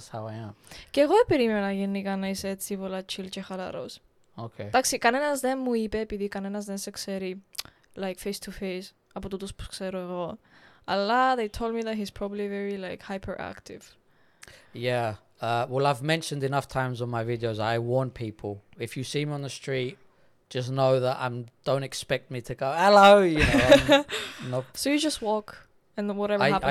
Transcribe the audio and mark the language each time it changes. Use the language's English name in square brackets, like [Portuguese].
[English] chill, I'm like, well, yeah, this is how I am. Chill and chalaros. Okay. [Greek] Εντάξει, κανένας δεν μου είπε, επειδή κανένας δεν σε ξέρει, [English] like, face-to-face, [Greek] από τούτους που ξέρω εγώ. Αλλά [English] they told me that he's probably very, like, hyperactive. Yeah. Well, I've mentioned enough times on my videos, I warn people. If you see me on the street, just know that don't expect me to go, hello, you know. Nope. So you just walk. And whatever happens,